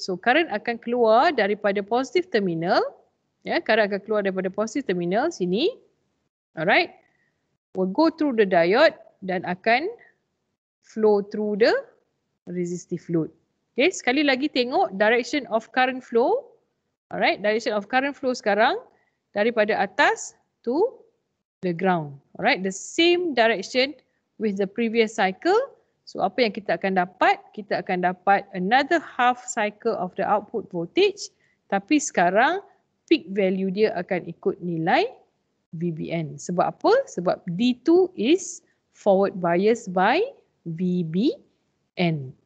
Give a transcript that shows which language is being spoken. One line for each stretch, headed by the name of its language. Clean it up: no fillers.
English: So current
Malay: akan keluar daripada
English: positive terminal.
Malay: Ya, current akan keluar daripada positive terminal sini. Alright.
English: Will go through the diode
Malay: dan akan
English: flow through the resistive load. Okay,
Malay: sekali lagi tengok
English: direction of current flow. Alright, direction of current flow
Malay: sekarang daripada atas
English: to the ground. Alright, the same direction with the previous cycle.
Malay: So apa yang kita akan dapat? Kita akan dapat
English: another half cycle of the output voltage.
Malay: Tapi sekarang peak value dia akan ikut nilai VBN. Sebab apa? Sebab
English: D2 is forward bias by VBN.